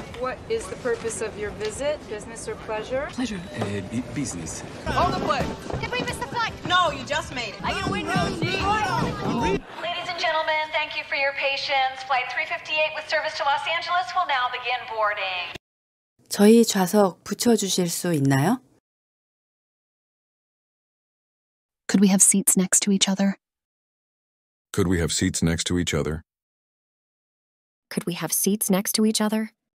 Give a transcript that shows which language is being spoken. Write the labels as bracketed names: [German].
[English] What is the purpose of your visit, business or pleasure? Pleasure. Business. Hold the foot. Did we miss the flight? No, you just made it. Are you in Rosy? Ladies and gentlemen, thank you for your patience. Flight 358 with service to Los Angeles will now begin boarding. [Korean] 저희 좌석 붙여주실 수 있나요? [English] Could we have seats next to each other? Could we have seats next to each other? Could we have seats next to each other?